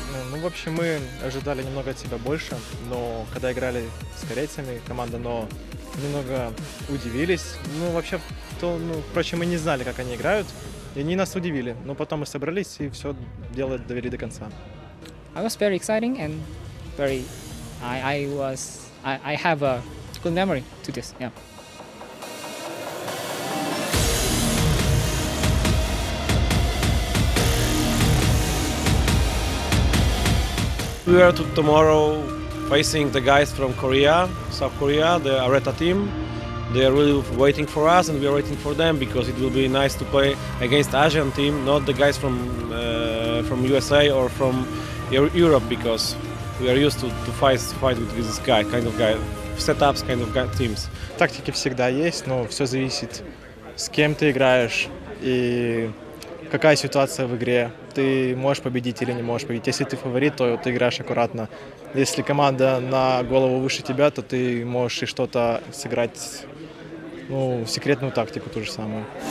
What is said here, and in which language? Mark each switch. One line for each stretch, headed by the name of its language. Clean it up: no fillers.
Russian: Ну, в общем, мы ожидали немного от себя больше, но когда играли с корейцами, команда НО немного удивились. Ну, вообще, то, ну, впрочем, мы не знали, как они играют, и они нас удивили. Но потом мы собрались и все дело довели до конца.
English: I was very exciting and I have a good memory to this, yeah. We are tomorrow facing the guys from Korea, South Korea, the Areta team. They are really waiting for us and we are waiting for them because it will be nice to play against Asian team, not the guys from USA or from Europe, because we are used to fight with this guy, kind of guy, setups, kind of guy, teams.
Russian: Тактики всегда есть, но все зависит, с кем ты играешь и какая ситуация в игре. Ты можешь победить или не можешь победить. Если ты фаворит, то ты играешь аккуратно. Если команда на голову выше тебя, то ты можешь и что-то сыграть, ну, секретную тактику ту же самую.